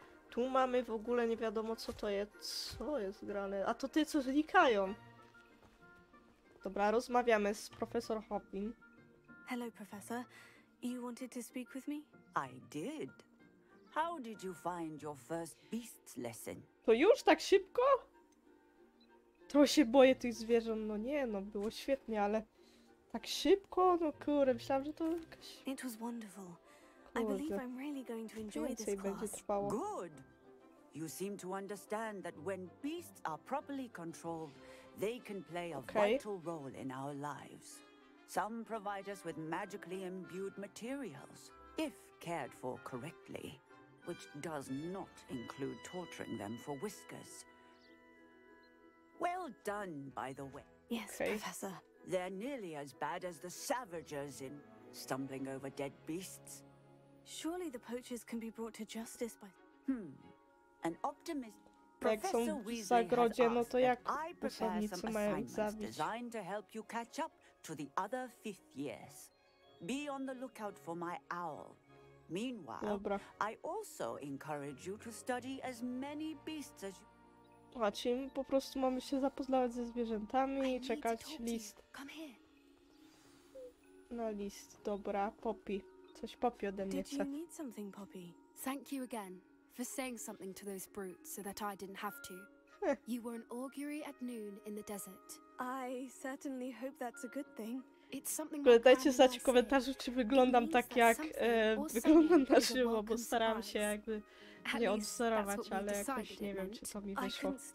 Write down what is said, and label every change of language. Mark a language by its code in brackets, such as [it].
[pl] Tu mamy w ogóle nie wiadomo co to jest. Co jest grane? A to te, co znikają. Dobra, rozmawiamy z profesor Hoffman. [en] Hello, professor. You wanted to speak with me? I did. How did you find your first beast's lesson? [pl] To już tak szybko? To się boję tych zwierząt, no nie, no było świetnie, ale tak szybko, no kurde, myślałam, że to jakaś... [en] It was wonderful. I believe I'm really going to enjoy this class. [pl] Będzie trwało. [en] Good. You seem to understand that when beasts are properly controlled, they can play a vital role in our lives. Some provide us with magically imbued materials, if cared for correctly, which does not include torturing them for whiskers. Well done, by the way. Yes, Professor. They're nearly as bad as the savagers in stumbling over dead beasts. Surely the poachers can be brought to justice by... An optimist... [pl] Jak są w zagrodzie, no to jak posadnicy mają ich zabić? [en] ...designed to help you catch up to the other fifth years. Be on the lookout for my owl. Meanwhile, [pl] dobra. [en] I also encourage you to study as many beasts as you... [pl] A czy my po prostu mamy się zapoznawać ze zwierzętami i czekać list. No list, dobra, Poppy. Coś Poppy ode mnie chce. [en] Did you need something, Poppy? Thank you again for saying something to those brutes so that I didn't have to. You were an augury at noon in the desert. I certainly hope that's a good thing. It's something. [pl] Dajcie znać w komentarzu, czy wyglądam tak jak wyglądam na żywo, bo staram się jakby nie odwzorować, ale jakoś nie wiem, czy to mi wyszło.